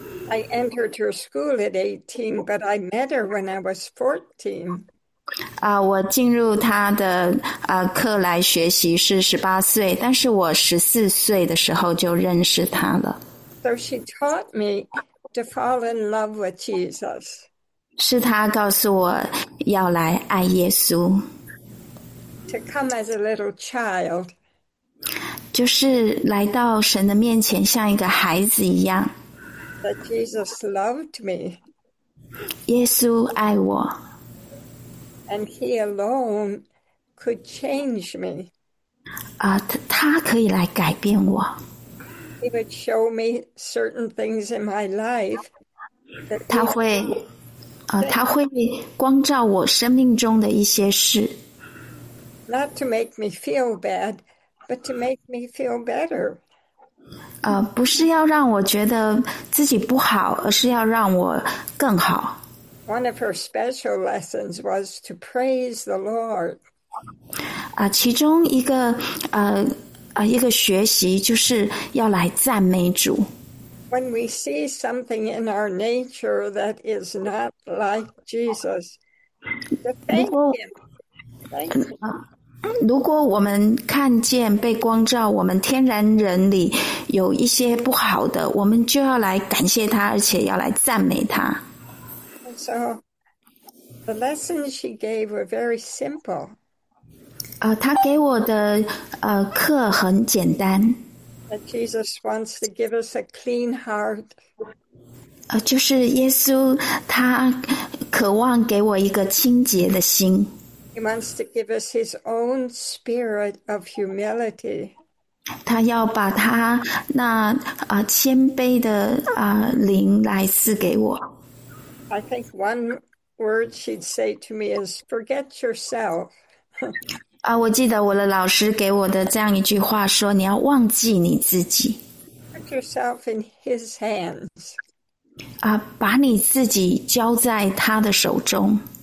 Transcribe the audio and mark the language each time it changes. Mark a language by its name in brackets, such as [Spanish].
[English] I entered her school at 18, but I met her when I was 14. [Chinese] 我进入他的课来学习是18岁，但是我14岁的时候就认识他了。 [English] So she taught me to fall in love with Jesus, [Chinese] 是他告诉我要来爱耶稣， [English] to come as a little child. [Chinese] 就是来到神的面前，像一个孩子一样。 [English] That Jesus loved me. [Chinese] 耶稣爱我。 [English] And he alone could change me. [Chinese] 他可以来改变我。 [English] He would show me certain things in my life that [Chinese] 他 [English] he [Chinese] 会。他会光照我生命中的一些事。 [English] not to make me feel bad, but to make me feel better. [Chinese] 不是要让我觉得自己不好，而是要让我更好。 [English] One of her special lessons was to praise the Lord. [Chinese] 其中一个一个学习就是要来赞美主。 [English] When we see something in our nature that is not like Jesus, to thank Him. Thank Him. [Chinese] 如果我们看见被光照，我们天然人里有一些不好的，我们就要来感谢他，而且要来赞美他。 [English] So the lessons she gave were very simple. [Chinese] 他给我的课很简单。 [English] That Jesus wants to give us a clean heart. [Chinese] 就是耶稣他渴望给我一个清洁的心。 [English] He wants to give us his own spirit of humility. [Chinese] 他要把他那谦卑的灵来赐给我。 [English] I think one word she'd say to me is "forget yourself." [Chinese] 我记得我的老师给我的这样一句话说：“你要忘记你自己。 [English] Put yourself in his hands. [Chinese] 把你自己交在他的手中。